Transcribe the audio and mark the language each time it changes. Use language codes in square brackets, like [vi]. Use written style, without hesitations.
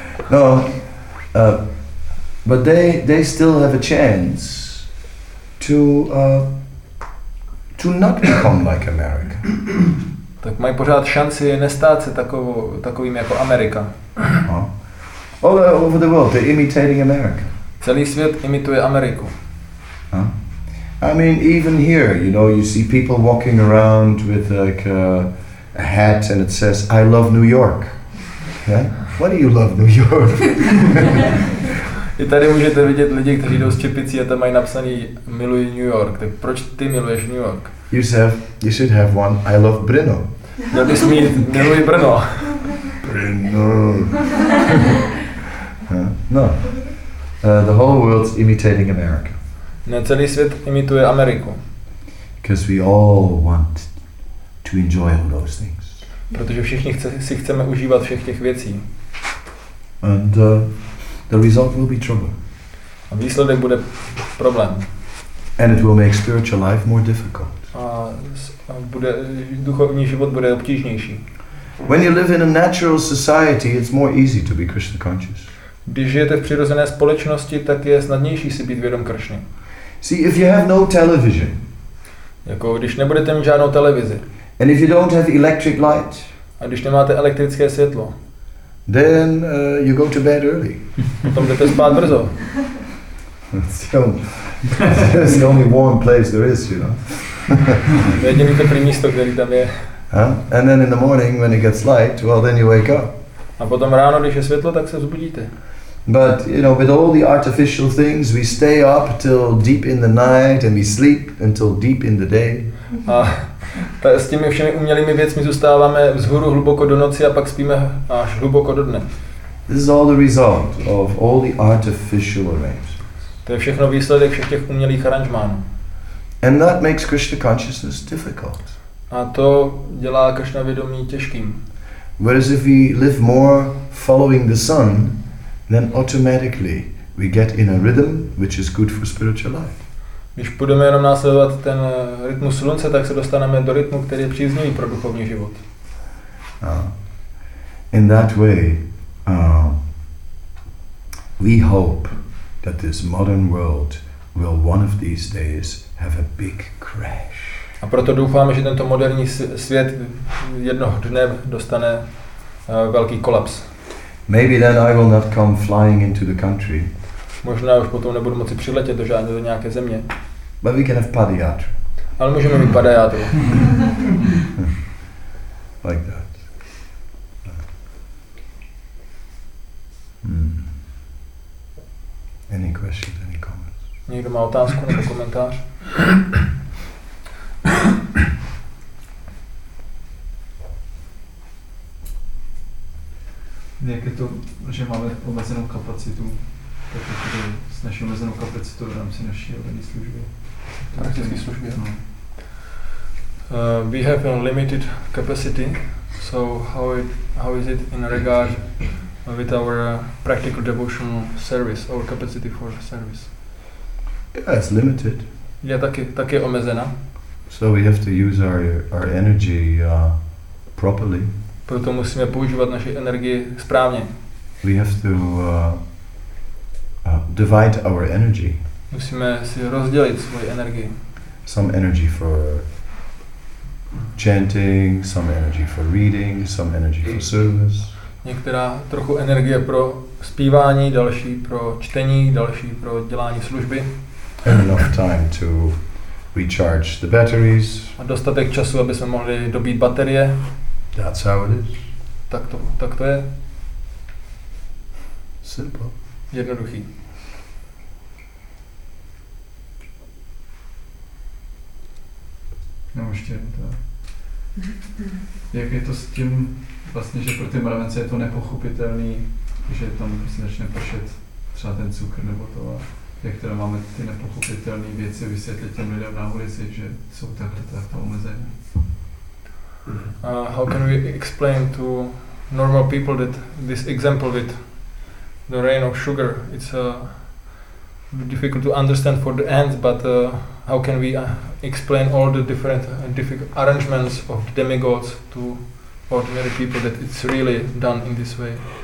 [en] No, but they still have a chance to not become like America. [cs] Tak mají pořád šanci nestát se takovým jako Amerika. [en] All over the world, they're imitating America. [cs] Celý svět imituje Ameriku. [en] I mean, even here, you know, you see people walking around with like a hat and it says, I love New York. Yeah? Why do you love New York? [cs] I tady můžete vidět lidi, kteří jdou z čepicí a tam mají napsaný, miluji New York. Tak proč ty miluješ New York? [en] You should have one, I love Brno. [cs] Měl bys mít, miluji Brno. Brno. [en] No. The whole world's imitating America. [cs] Ne, celý svět imituje Ameriku. [en] Because we all want to enjoy all those things. [cs] Protože všichni si chceme užívat všech těch věcí. [en] And the result will be trouble. [cs] A výsledek bude problém. [en] And it will make spiritual life more difficult. [cs] A bude duchovní život bude obtížnější. [en] When you live in a natural society, it's more easy to be Krishna conscious. [cs] Když žijete v přirozené společnosti, tak je snadnější si být vědom Kršny. [en] See, if you have no television. [cs] Jako když nebudete mít žádnou televizi. [en] And if you don't have electric light. [cs] A když nemáte elektrické světlo. [en] Then you go to bed early. [cs] Potom jdete spát brzo. [en] It's the only warm place there is, you know. And then in the morning when it gets light, well then you wake up. [cs] A potom ráno, když je světlo, tak se vzbudíte. [en] But you know, with all the artificial things, we stay up till deep in the night and we sleep until deep in the day. [cs] A s těmi všemi umělými věcmi zůstáváme vzhůru hluboko do noci a pak spíme až hluboko do dne. [en] This is all the result of all the artificial arrangements. [cs] To je všechno výsledek všech těch umělých aranžmánů. [en] And that makes Krishna consciousness difficult. [cs] A to dělá Krishna vědomí těžkým. [en] Whereas if we live more following the sun, then automatically we get in a rhythm which is good for spiritual life. [cs] Když budeme jenom následovat ten rytmus slunce, tak se dostaneme do rytmu, který je příznivý pro duchovní život. [en] In that way, we hope that this modern world will one of these days have a big crash. [cs] A proto doufáme, že tento moderní svět jednoho dne dostane velký kolaps. [en] Maybe then I will not come flying into the country. [cs] Možná už potom nebudu moci přiletět do žádné do nějaké země. [en] But we can have padayatra. [cs] Ale můžeme mít padayatru. [en] Like that. Any questions, any comments? [cs] Někdo má otázku nebo komentář? Jak je to, že máme omezenou kapacitu, tak je to s naší omezenou kapacitou v rámci naší obecné služby. Praktické služby, no. [en] We have a limited capacity, so how is it in regard with our practical devotional service, our capacity for service? Yeah, it's limited. [cs] Je taky omezená. [en] So we have to use our energy properly. [cs] Proto musíme používat naši energii správně. [en] We have to divide our energy. [cs] Musíme si rozdělit svoji energii. [en] Some energy for chanting, some energy for reading, some energy for service. [cs] Některá trochu energie pro zpívání, další pro čtení, další pro dělání služby. [en] And enough time to recharge the batteries. [cs] A dostatek času, aby jsme mohli dobít baterie. [en] That's how it is. [cs] Tak to je. [en] Simple. [cs] Jednoduchý. No ještě to. Jak je to s tím, vlastně, že pro ty mravence je to nepochopitelný, že tam se začne pršet třeba ten cukr nebo to a jak teda máme ty nepochopitelné věci vysvětlit těm lidem na ulici, že jsou takhle takto omezené. [en] How can we explain to normal people that this example with the rain of sugar, it's difficult to understand for the ants, but how can we explain all the different arrangements of demigods to ordinary people that it's really done in this way?